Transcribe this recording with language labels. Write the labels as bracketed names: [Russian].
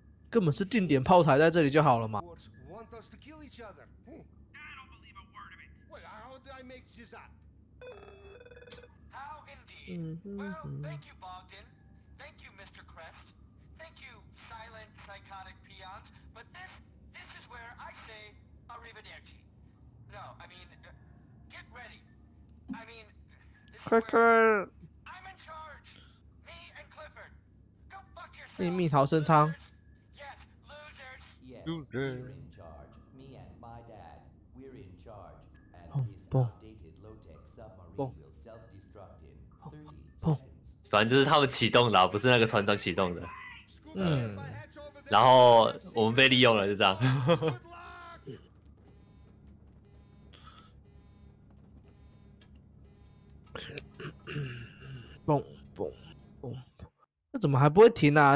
[Chinese] 根本是定点炮台在这里就好了嘛。 [English] Want us to kill each other? I don't believe a word of it. Well, how did I make this up? How indeed? Well, thank you, Bogdan. Thank you, Mr. Crest. Thank you, silent psychotic peons. But this is where I say arrivederci. No, I mean, get ready. I mean, I'm in charge. Me and Clifford. Go fuck yourself. [Chinese] 秘密逃生舱 [English] Yes, losers. Yes, we're in charge. Me and my dad. We're in charge. And this outdated low-tech submarine will self-destruct in 30 seconds. [Chinese] 反正就是他们启动的、啊，不是那个船长启动的。嗯，然后我们被利用了，就这样。蹦蹦蹦，那怎么还不会停啊？